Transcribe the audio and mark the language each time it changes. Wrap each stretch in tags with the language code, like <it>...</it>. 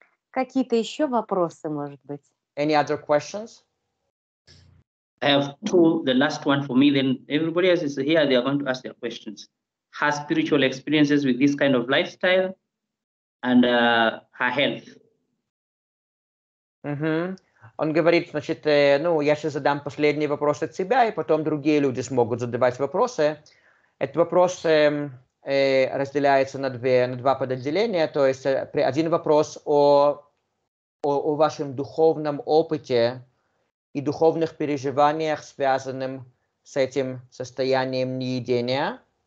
<ru>Какие-то еще вопросы, может быть?</ru> <en>Any other questions? I have two, the last one for me, then everybody else is here, they are going to ask their questions. Her spiritual experiences with this kind of lifestyle and her health. Mm-hmm.</en> <ru>Он говорит, значит, ну, я сейчас задам последний вопрос от себя, и потом другие люди смогут задавать вопросы. Этот вопрос разделяется на два подотделения. То есть один вопрос о вашем духовном опыте и духовных переживаниях, связанным с этим состоянием неедения.</ru>